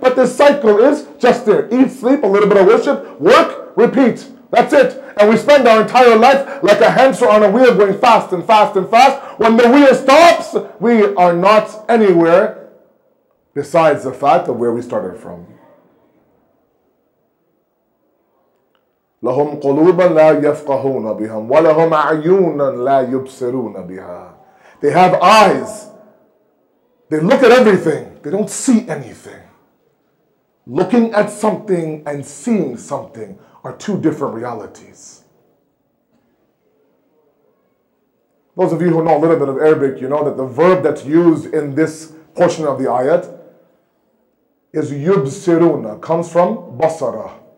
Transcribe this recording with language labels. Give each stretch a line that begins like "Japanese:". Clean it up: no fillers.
English: But the cycle is just there. Eat, sleep, a little bit of worship, work, repeat. That's it. And we spend our entire life like a hamster on a wheel going fast and fast and fast. When the wheel stops, we are not anywhere besides the fact of where we started from.
Arabic: لَهُمْ قُلُوبًا لَا يَفْقَهُونَ بِهَا وَلَهُمْ عَيُونًا لَا يُبْصِرُونَ بِهَا
English: They have eyes. They look at everything. They don't see anything. Looking at something and seeing something are two different realities. Those of you who know a little bit of Arabic, you know that the verb that's used in this portion of the ayat is yubsiruna, comes from basara.